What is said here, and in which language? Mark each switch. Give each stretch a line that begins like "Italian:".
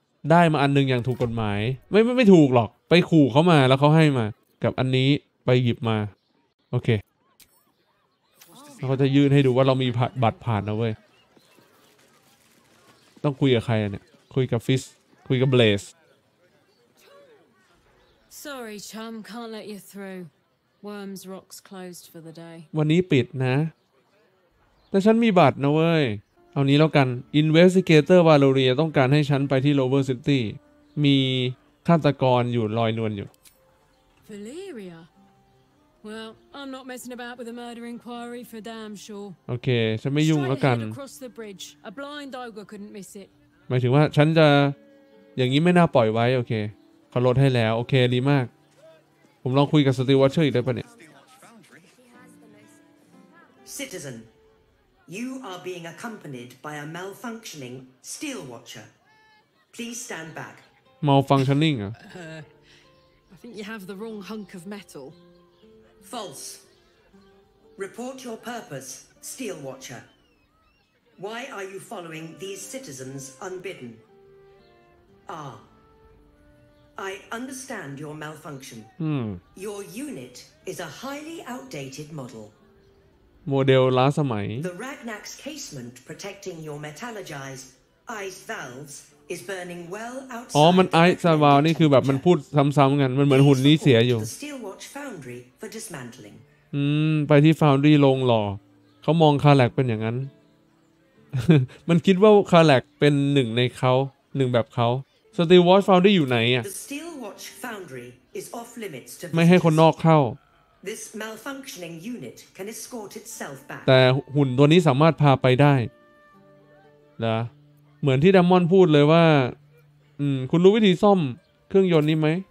Thai: ได้มาอันหนึ่งอย่างถูกกฎหมายไม่ถูกหรอกไปขู่เขามาแล้วเขาให้มากับอันนี้ไปหยิบมาโอเคเขาจะยื่นให้ดูว่าเรามีบัตรผ่านนะเว้ยต้องคุยกับใครอ่ะเนี่ยคุยกับฟิสคุยกับเบลส
English: Sorry chum can't let you through Worms Rock's closed for the day
Thai: วันนี้ปิดนะแต่ฉันมีบัตรนะเว้ยเอานี้แล้วกัน Investigator Valoria ต้องการให้ฉันไปที่ Lower City มีฆาตกรอยู่ลอยนวลอยู่
English: Valeria Well I'm not messing about with a murder inquiry for damn sure
Thai: โอเคฉันไม่ยุ่งแล้วกัน
English: Across the bridge a blind ogre couldn't miss it
Thai: หมายถึงว่าฉันจะอย่างนี้ไม่น่าปล่อยไว้โอเคเขาลดให้แล้วโอเคดีมากผมลองคุยกับ Steel Watcher อีกได้ป่ะเนี่ย
English: CitizenYou are being accompanied by a malfunctioning steel watcher. Please stand back. Malfunctioning? I think you have the wrong hunk of metal. False. Report your purpose, steel watcher. Why are you following these citizens unbidden? Ah. I understand your malfunction. Your unit is a highly outdated model.
Thai: โมเดลล้าสมัย
English: The Ragnak's casement protecting your metallurgized ice valves is burning well outside
Thai: อ๋อมัน ice valve นี่คือแบบมันพูดซ้ำๆกันมันเหมือนหุ่นนี้เสียอยู่
English: Steel Watch Foundry for dismantling
Thai: ไปที่ Foundry ลงหล่อเขามองคาแลกเป็นอย่างนั้น มันคิดว่าคาแลกเป็นหนึ่งในเขาหนึ่งแบบเขา Steel Watch Foundry อยู่ไหนอ่ะ
English: The Steel Watch Foundry is off limits to
Thai: ไม่ให้คนนอกเข้า
English: This malfunctioning unit can escort itself back.
Thai: แต่หุ่นตัวนี้สามารถพาไปได้นะเหมือนที่ดัมมอนพูดเลยว่าคุณรู้วิธีซ่อมเครื่องยนต์นี้ไหม